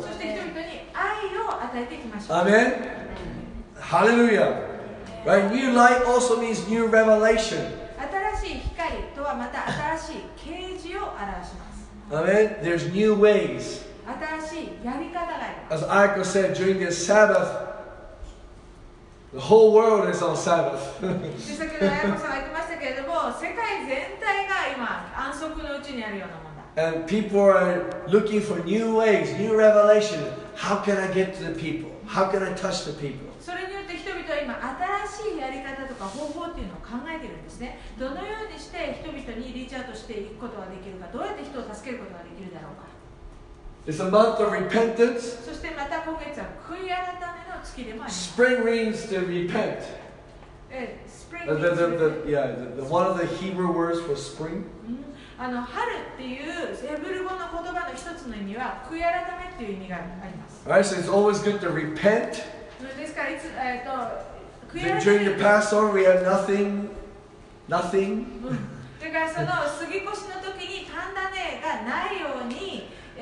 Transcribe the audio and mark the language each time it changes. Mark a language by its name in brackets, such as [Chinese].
[Japanese] そして人々に愛を与えていきましょう。 [English] Amen. Hallelujah. Right? New light also means new revelation. [Japanese] 新しい光とはまた新しい啓示を表します。 [English] Amen. There's new ways. [Japanese] 新しいやり方があります。 [English] As Aiko said during this Sabbath, the whole world is on Sabbath. [Japanese] 先ほど Aiko さんが言ってましたけれども、世界全体が今安息のうちにあるようなもの。 [English] And people are looking for new ways, new revelation. How can I get to the people? How can I touch the people? [Japanese] それによって人々は今新しいやり方とか方法っていうのを考えているんですね。どのようにして人々にリーチアウトしていくことができるか、どうやって人を助けることができるだろうか。 [English] It's a month of repentance. [Japanese] そしてまた今月は悔い改めの月でもあります。 [English] Spring means to repent. Spring. The one of the Hebrew words for spring. [Japanese] あの春っていうヘブル語の言葉の一つの意味は悔い改めっていう意味があります。 [English] Right, so it's always good to repent. [Japanese] ですからいつ悔い改め。 [English] During the Passover, we have nothing. [Japanese] だからその過ぎ越しの時にパンダネがないように。